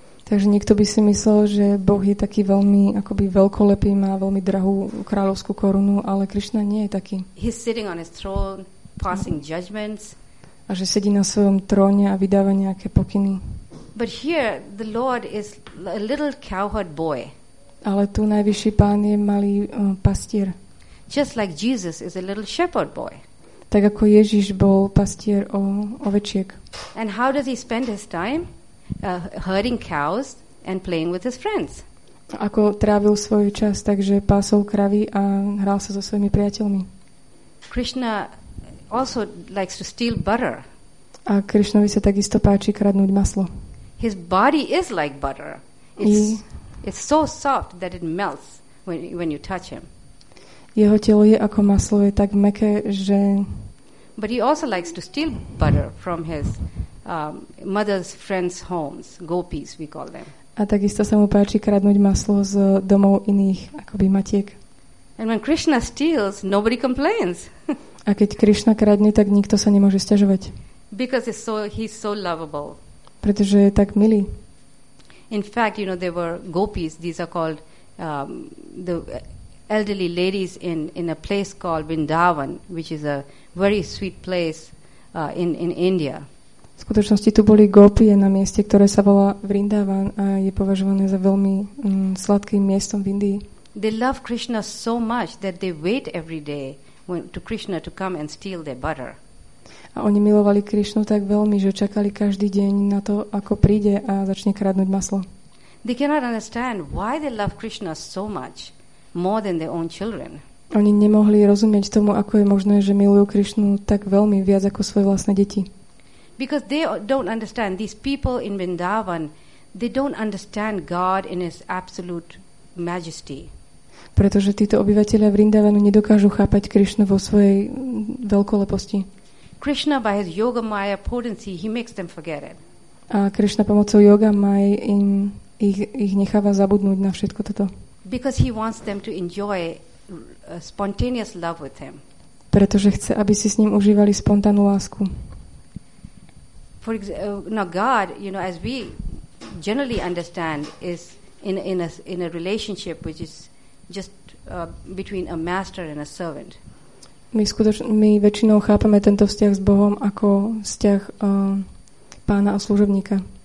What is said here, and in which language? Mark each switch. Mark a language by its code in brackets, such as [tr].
[sk] Takže niekto by si myslel, že Boh je taký veľmi akoby veľkolepý, má veľmi drahú kráľovskú korunu, ale Krišna nie je taký. [en] He's sitting on his throne, passing judgments. [sk] A že sedí na svojom tróne a vydáva nejaké pokyny. [en] But here the Lord is a little cowherd boy. [sk] Ale tu najvyšší pán je malý pastier. [en] Just like Jesus is a little shepherd boy. [sk] Tak ako Ježiš bol pastier ovečiek. [en] And how does he spend his time? Herding cows and playing with his friends. [sk] Ako trávil svoj čas, takže pásol kravy a hral sa so svojimi priateľmi. [en] Krishna also likes to steal butter. [sk] A Krishnovi sa takisto páči kradnúť maslo. [en] His body is like butter. It's so soft that it melts when you touch him. [sk] Jeho telo je ako maslo, je tak mäkké, že... [en] But he also likes to steal butter from his mother's friends' homes, gopis, we call them. [sk] A takisto sa mu páči kradnúť maslo z domov iných, akoby matiek. [en] And when Krishna steals, nobody complains. [sk] A keď Krishna kradne, tak nikto sa nemôže sťažovať. [en] Because he's so lovable. [sk] Pretože je tak milý. [en] In fact, you know, there were gopis, these are called the elderly ladies in a place called Vrindavan, which is a very sweet place in India. [sk] V skutočnosti tu boli gopie na mieste, ktoré sa volá Vrindavan a je považované za veľmi sladkým miestom v Indii. [en] They love Krishna so much that they wait every day to Krishna to come and steal their butter. [sk] A oni milovali Krishnu tak veľmi, že čakali každý deň na to, ako príde a začne kradnúť maslo. [en] They cannot understand why they love Krishna so much more than their own children. [sk] Oni nemohli rozumieť tomu, ako je možné, že milujú Krishnu tak veľmi viac ako svoje vlastné deti. [en] Because they don't understand, these people in Vrindavan, they don't understand God in his absolute majesty. [sk] Pretože títo obyvatelia Vrindavanu nedokážu chápať Krishnu vo svojej veľkoleposti. [en] Krishna by his yoga maya potency, he makes them forget it. [sk] A Krishna pomocou yoga maya ich necháva zabudnúť na všetko toto. [en] Because he wants them to enjoy spontaneous love with him. [sk] Pretože chce, aby si s ním užívali spontánnu lásku. [en] For example, now God, you know, as we generally understand, is in a relationship which is just between a master and a servant. [sk] My väčšinou chápame tento vzťah s Bohom ako vzťah pána a služobníka.